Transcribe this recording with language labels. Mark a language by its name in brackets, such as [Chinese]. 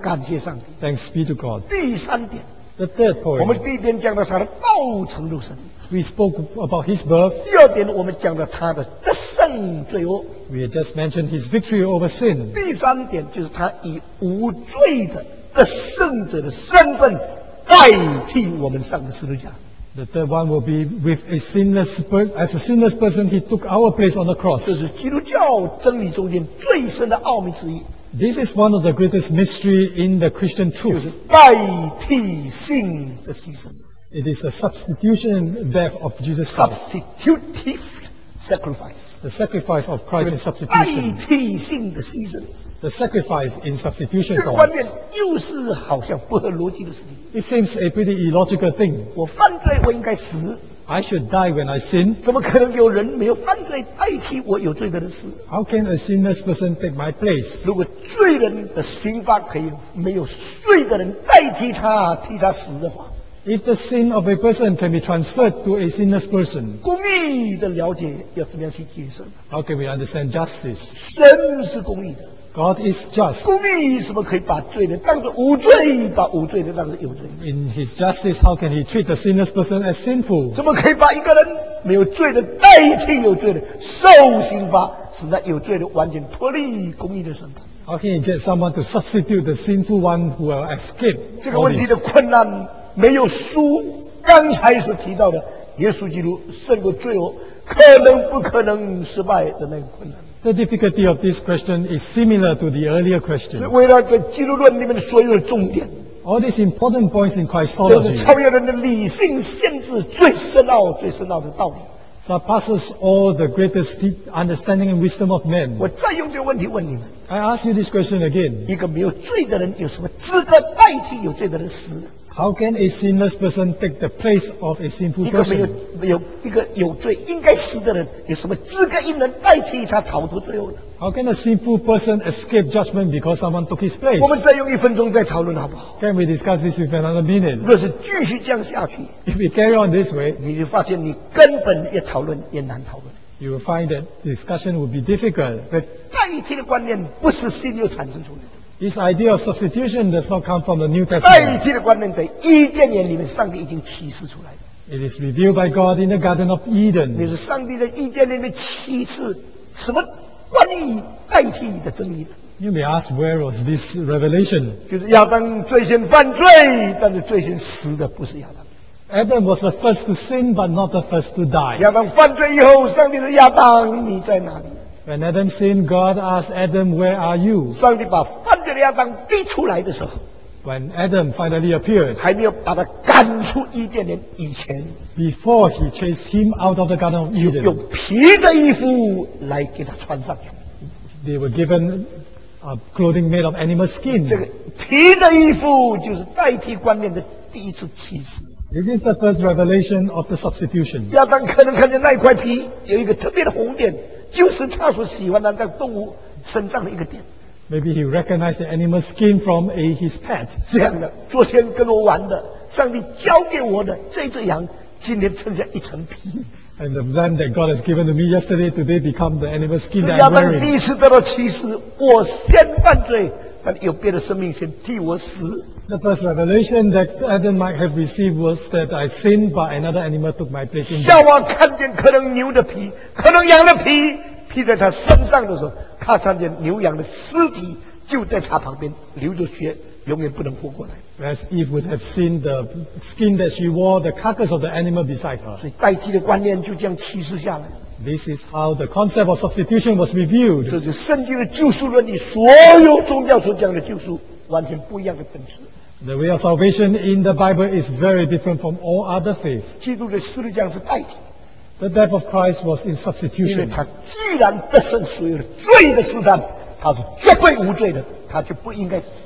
[Chinese] 感谢上帝。 [English] Thanks be to God. [Chinese] 第三点。 [English] The third point. [Chinese] 我们第一点讲的是他的道成肉身。 [English] We spoke about his birth. [Chinese] 第二点，我们讲了他的得胜罪恶。 [English] We just mentioned his victory over sin. [Chinese] 第三点就是他以无罪的得胜者的身份代替我们上十字架。 [English] The third one will be with a sinless as a sinless person, he took our place on the cross. [Chinese] 这是基督教真理中间最深的奥秘之一。 [English] This is one of the greatest mystery in the Christian truth. [Chinese] 就是代替性的牺牲。 [English] It is the substitution death of Jesus Christ. Substitutive sacrifice. The sacrifice of Christ in substitution. [Chinese] 代替性的牺牲。 [English] The sacrifice in substitution for us. [Chinese] 这个观念又是好像不合逻辑的事情。 [English] It seems a pretty illogical thing. [Chinese] 我犯罪，我应该死。 [English] I should die when I sin. [Chinese] 怎么可能有人没有犯罪代替我有罪的人死 [English] ？How can a sinless person take my place? [Chinese] 如果罪人的刑罚可以没有罪的人代替他替他死的话。 [English] If the sin of a person can be transferred to a sinless person, [Chinese] 公义的了解要怎么样去解释 [English] ？How can we understand justice? [Chinese] 神是公义的 [English] ，God is just. [Chinese] 公义怎么可以把罪人当作无罪，把无罪人当作有罪 [English] ？In his justice, how can he treat the sinless person as sinful? [Chinese] 怎么可以把一个人没有罪的代替有罪的受刑罚，使那有罪的完全脱离公义的审判 [English] ？How can he get someone to substitute the sinful one who will escape? [Chinese] 这个问题的困难。没有书刚才所提到的耶稣基督胜过罪恶可能不可能失败的那个困难 [English] The difficulty of this question is similar to the earlier question [Chinese] 为了在基督论里面的所有的重点 [English] All these important points in Christology [Chinese] 就是超越人的理性限制最深奥最深奥的道理 [English] surpasses all the greatest understanding and wisdom of men [Chinese] 我再用这个问题问你们 [English] I ask you this question again [Chinese] 一个没有罪的人有什么资格代替有罪的人死 [English] How can a sinless person take the place of a sinful person? [Chinese] 一个有罪应该死的人，有什么资格一人代替他逃脱罪恶呢 [English] ？How can a sinful person escape judgment because someone took his place? [Chinese] 我们再用一分钟再讨论好不好 [English] ？Can we discuss this with another minute? [Chinese] 若是继续这样下去 [English] ，If we carry on this way, [Chinese] 你就发现你根本越讨论越难讨论。 [English] You will find that discussion will be difficult. [Chinese] 代替的观念不是新又产生出来的。 [English] This idea of substitution does not come from the New Testament. [Chinese] 代替的观念在伊甸园里面，上帝已经启示出来了。 [English] It is revealed by God in the Garden of Eden. [Chinese] 那是上帝在伊甸园里面启示什么关于代替的真理的 [English] ？You may ask where was this revelation? [Chinese] 就是亚当最先犯罪，但是最先死的不是亚当。 [English] Adam was the first to sin, but not the first to die. [Chinese] 亚当犯罪以后，上帝说：“亚当，你在哪里？” [English] When Adam sinned, God asked Adam, "Where are you?" [Chinese] 上帝把犯罪的亚当逼出来的时候 [English] ，When Adam finally appeared， [Chinese] 还没有把他赶出伊甸园以前 [English] ，Before he chased him out of the Garden of Eden， [Chinese] 用皮的衣服来给他穿上去。 [English] They were given a clothing made of animal skin。 [Chinese] 这个皮的衣服就是代替冠冕的第一次启示。 [English] This is the first revelation of the substitution. [Chinese] 亚当可能看见那一块皮有一个特别的红点，就是他所喜欢的那个动物身上的一个点。 [English] Maybe he recognized the animal skin from his pet. [Chinese] 这样的，昨天跟我玩的，上帝交给我的这只羊，今天剩下一层皮。 [English] And the lamb that God has given to me yesterday, today become the animal skin that I'm wearing. [Chinese] 亚当第一次得到启示，我先犯罪，但有别的生命先替我死。 [English] The first revelation that Adam might have received was that I sinned, but another animal took my place in death. [Chinese] 夏娃看见可能牛的皮，可能羊的皮披在他身上的时候，他看见牛羊的尸体就在他旁边流着血，永远不能活过来。 [English] Whereas Eve would have seen the skin that she wore, the carcass of the animal beside her. [Chinese] 所以代替的观念就这样启示下来。 [English] This is how the concept of substitution was revealed. [Chinese] 这是圣经的救赎论里所有宗教所讲的救赎完全不一样的本质。 [English] The way of salvation in the Bible is very different from all other faith. [Chinese] 基督的十字架是代替。 [English] The death of Christ was in substitution. [Chinese] 因为他既然得胜所有的罪的试探，他是绝对无罪的，他就不应该死。